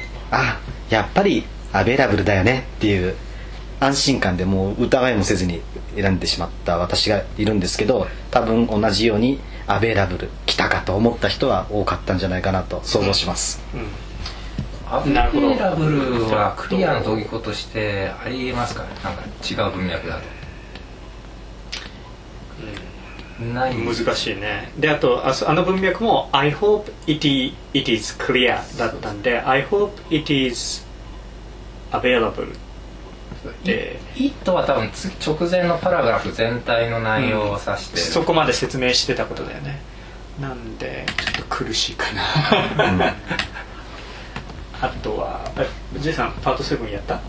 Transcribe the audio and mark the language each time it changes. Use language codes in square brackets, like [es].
[ja] あやっぱりアベイラブルだよねっていう安心感でもう疑いもせずに選んでしまった私がいるんですけど、多分同じようにアベイラブル来たかと思った人は多かったんじゃないかなと想像します、うん、アベイラブルはクリアの同義語としてありえますかね、なんか違う文脈だと、うん、ない難しいね。であと あの文脈も [en] I hope it is clear [ja] だったんで [en] I hope it is available [ja] it とは多分直前のパラグラフ全体の内容を指して、うん、そこまで説明してたことだよね。なんでちょっと苦しいかな、うん、あとはJさんパート7やった？